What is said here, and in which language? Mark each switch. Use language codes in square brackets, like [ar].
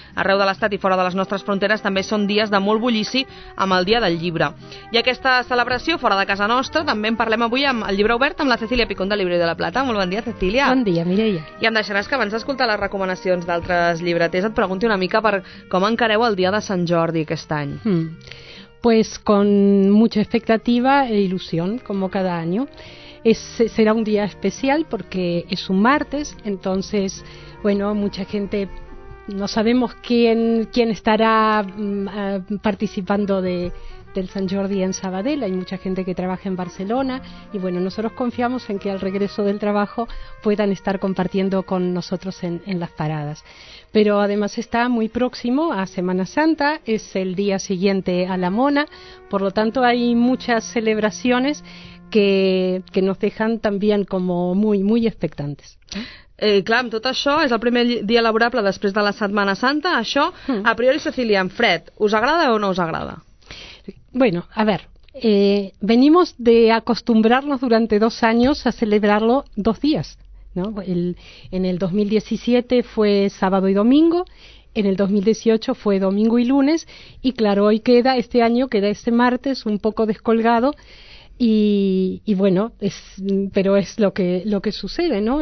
[ca] Arreu de l'Estat i fora de les nostres fronteres també són dies de molt bullici amb el dia del llibre. I aquesta celebració fora de casa nostra també en parlem avui amb el llibre obert amb la Cecília Picón de Llibre de la Plata. Molt bon dia, Cecília. Bon dia, Mireia. I em deixaràs que abans d'escoltar les recomanacions d'altres llibreters et pregunti una mica per com encareu el dia de Sant Jordi aquest any. [es] Pues con mucha expectativa e ilusión, como cada año. Será un día especial porque es un martes, entonces, bueno, mucha gente... No sabemos quién estará participando del San Jordi en Sabadell. Hay mucha gente que trabaja en Barcelona y bueno, nosotros confiamos en que al regreso del trabajo puedan estar compartiendo con nosotros en las paradas. Pero además está muy próximo a Semana Santa, es el día siguiente a la Mona, por lo tanto hay muchas celebraciones que nos dejan también como muy, muy expectantes. [ca] Clar, amb tot això, és el primer dia laborable després de la Setmana Santa. Això, a priori, Cecília, en fred, us agrada o no us agrada? [es] Bueno, a ver, venimos de acostumbrarnos durante 2 años a celebrarlo 2 días, ¿no? En el 2017 fue sábado y domingo, en el 2018 fue domingo y lunes, y claro, hoy queda, este año queda este martes un poco descolgado, y bueno, pero es lo que sucede, ¿no?